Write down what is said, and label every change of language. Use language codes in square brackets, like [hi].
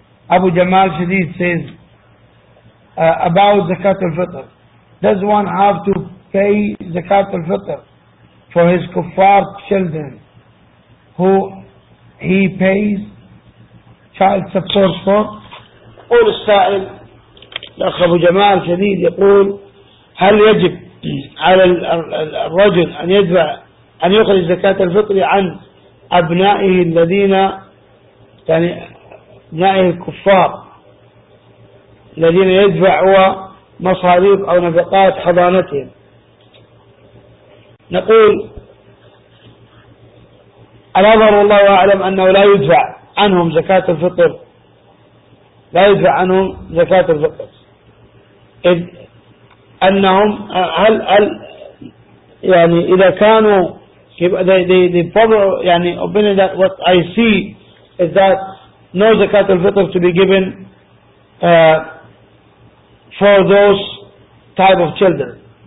[en] Abu Jamal Shadid says about Zakat al-Fitr, does one have to pay Zakat al-Fitr for his kuffar children who he pays child support for? [ar] قول السائل الأخ أبو جمال شديد يقول هل يجب على الرجل أن يدفع أن يخرج زكاة الفطر عن أبنائه الذين يعني أبنائه الكفار الذين يدفعوا مصاريف أو نفقات حضانتهم؟ نقول الأظهر والله أعلم أنه لا يدفع عنهم زكاة الفطر، لا يدفع عنهم زكاة الفطر. أنهم هل يعني إذا كانوا [en] the proper يعني opinion that what I see is that no زكاة الفطر to be given for those type of children.